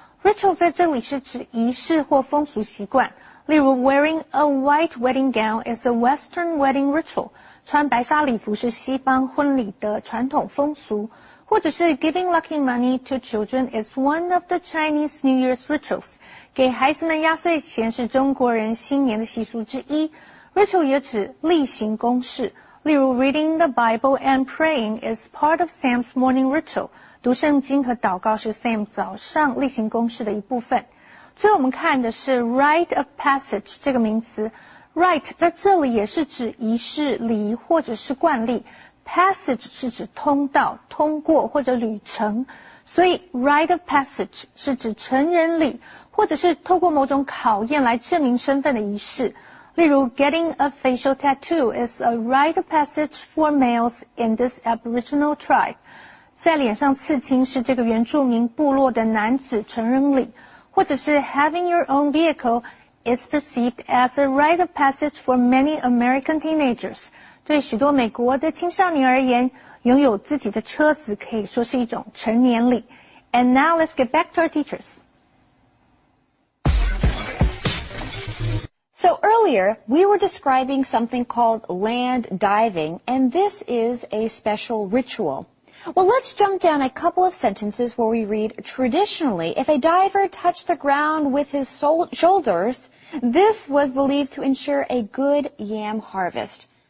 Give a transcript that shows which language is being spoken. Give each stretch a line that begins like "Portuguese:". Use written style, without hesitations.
Chinese: ritual 在这里是指仪式或风俗习惯，例如
English: wearing a white wedding gown is a Western wedding ritual，
Chinese: 穿白纱礼服是西方婚礼的传统风俗，或者是
English: giving lucky money to children is one of the Chinese New Year's rituals，
Chinese: 给孩子们压岁钱是中国人新年的习俗之一。 ritual 也指例行公事。例如
English: reading the Bible and praying is part of Sam's morning ritual.
Chinese: 读圣经和祷告是 Sam 早上例行公事的一部分。最后我们看的是 rite of passage 这个名词。 rite 在这里也是指仪式、礼仪或者是惯例。 passage 是指通道、通过或者旅程。所以 rite of passage 是指成人礼或者是透过某种考验来证明身份的仪式。例如
English: getting a facial tattoo is a rite of passage for males in this Aboriginal tribe.
Chinese: 在脸上刺青是这个原住民部落的男子成人礼，或者是
English: having your own vehicle is perceived as a rite of passage for many American teenagers.
Chinese: 对许多美国的青少年而言，拥有自己的车子可以说是一种成年礼。
English: And now let's get back to our teachers. So earlier, we were describing something called land diving, and this is a special ritual. Well, let's jump down a couple of sentences where we read, traditionally, if a diver touched the ground with his shoulders, this was believed to ensure a good yam harvest.